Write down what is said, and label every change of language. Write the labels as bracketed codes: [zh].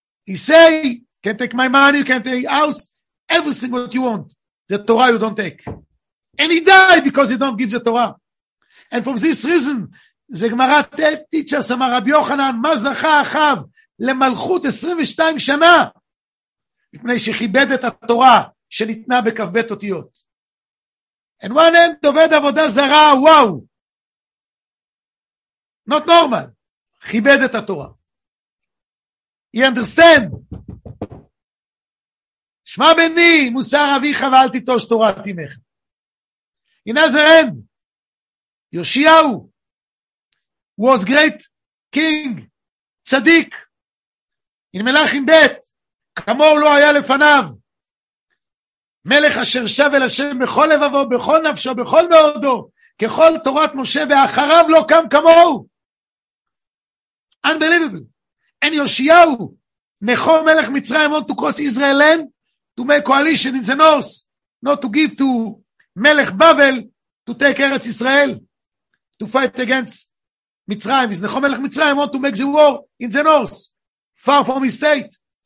[en] He say, can't take my money, can't take house, everything what you want, the Torah you don't take. And he died because he don't give the Torah. And from this reason, [he] זה גמרא תיצ'ס, אמר רבי יוחנן, מה זכה אחיו למלכות 22 שנה, מפני שכיבד את התורה שניתנה בכ"ב אותיות. [en] And one end, [he] עובד עבודה זרה, [en] וואו, not normal, [he] כיבד את התורה. [en] You understand? [he] שמע בני, מוסר אביך ואל תיטוש תורת אמך. [en] In other end, [he] יושיהו, [en] was great king, [he] צדיק, in מלאכים בית, כמור לא היה לפניו, מלך אשר שב אל השם בכל לבבו, בכל נפשו, בכל מאודו, ככל תורת משה, ואחריו לא קם כמור. [en] Unbelievable. And יושיהו, נכו מלך מצרים, want to cross Israel land, to make coalition in the north, not to give to מלך בבל, to take ארץ ישראל, to fight against מצרים, is נכון מלך מצרים, want to make the war in the north, far from his state,